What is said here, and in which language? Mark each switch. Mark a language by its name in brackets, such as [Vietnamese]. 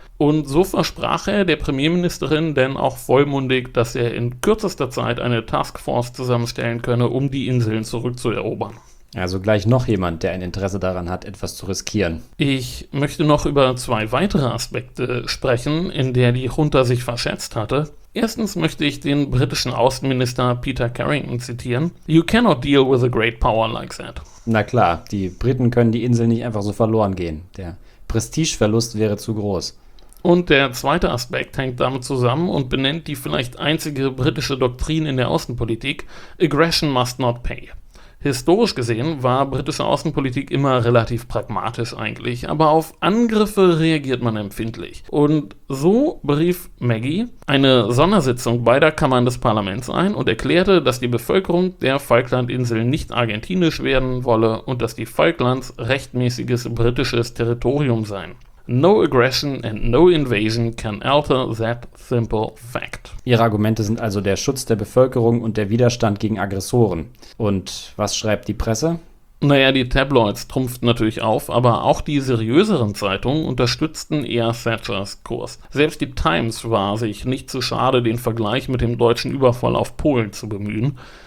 [German] Und so versprach er der Premierministerin denn auch vollmundig, dass er in kürzester Zeit eine Taskforce zusammenstellen könne, um die Inseln zurückzuerobern. Also gleich noch jemand, der ein Interesse daran hat, etwas zu riskieren. Ich möchte noch über zwei weitere Aspekte sprechen, in der die Junta sich verschätzt hatte. Erstens möchte ich den britischen Außenminister Peter Carrington zitieren. [English] You cannot deal with a great power like that. [German] Na klar, die Briten können die Inseln nicht einfach so verloren gehen. Der Prestigeverlust wäre zu groß. Und der zweite Aspekt hängt damit zusammen und benennt die vielleicht einzige britische Doktrin in der Außenpolitik, [English] Aggression must not pay. [German] Historisch gesehen war britische Außenpolitik immer relativ pragmatisch eigentlich, aber auf Angriffe reagiert man empfindlich. Und so berief Maggie eine Sondersitzung beider Kammern des Parlaments ein und erklärte, dass die Bevölkerung der Falklandinseln nicht argentinisch werden wolle und dass die Falklands rechtmäßiges britisches Territorium seien. [English] No aggression and no invasion can alter that simple fact. [German] Ihre Argumente sind also der Schutz der Bevölkerung und der Widerstand gegen Aggressoren. Und was schreibt die Presse? Naja, die Tabloids trumpften natürlich auf, aber auch die seriöseren Zeitungen unterstützten eher Thatchers Kurs. Selbst die Times war sich nicht zu schade, den Vergleich mit dem deutschen Überfall auf Polen zu bemühen.